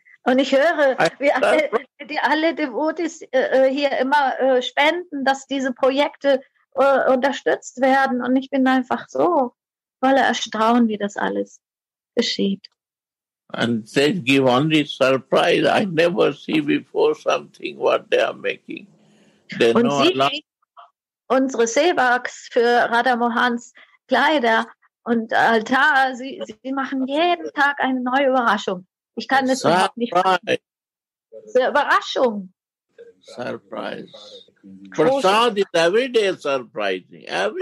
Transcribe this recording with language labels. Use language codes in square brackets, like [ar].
[de] Und ich höre, wie alle Devotees hier immer spenden, dass diese Projekte unterstützt werden. Und ich bin einfach so voller Erstaunen, wie das alles geschieht. [en] And they give only surprise. I never see before something what they are making. They [de] und sie, unsere Sevaks für Radha Mohans Kleider, und Altar, sie machen jeden Tag eine neue Überraschung. Ich kann es überhaupt nicht sagen. Überraschung. [en] Surprise. Prasad is every day surprising. Every